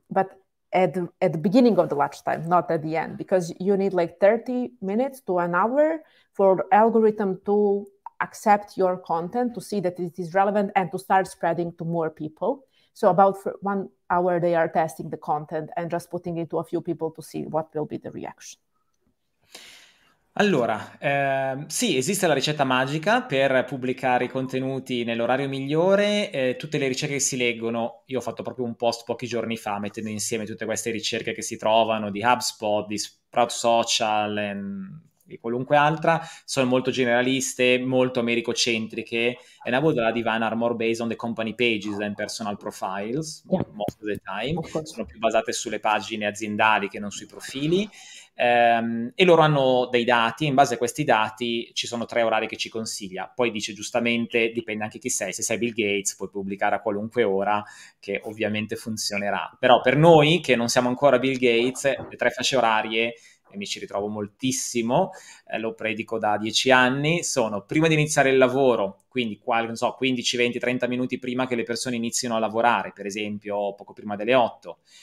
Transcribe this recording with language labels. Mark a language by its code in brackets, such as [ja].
[en] But at the beginning of the lunchtime, not at the end, because you need like 30 minutes to an hour for algorithm to accept your content, to see that it is relevant and to start spreading to more people. So about 1 hour, they are testing the content and just putting it to a few people to see what will be the reaction. [it] Allora, sì, esiste la ricetta magica per pubblicare i contenuti nell'orario migliore. Tutte le ricerche che si leggono, io ho fatto proprio un post pochi giorni fa mettendo insieme tutte queste ricerche che si trovano di HubSpot, di Sprout Social e qualunque altra, sono molto generaliste, molto americocentriche. [en] And I would like to divine are more based on the company pages than personal profiles, most of the time. [it] Sono più basate sulle pagine aziendali che non sui profili. E loro hanno dei dati, in base a questi dati ci sono tre orari che ci consiglia. Poi dice giustamente, dipende anche chi sei, se sei Bill Gates puoi pubblicare a qualunque ora, che ovviamente funzionerà. Però per noi che non siamo ancora Bill Gates, le tre fasce orarie, e mi ci ritrovo moltissimo, lo predico da 10 anni, sono prima di iniziare il lavoro, quindi 15, 20, 30 minuti prima che le persone inizino a lavorare, per esempio poco prima delle 8,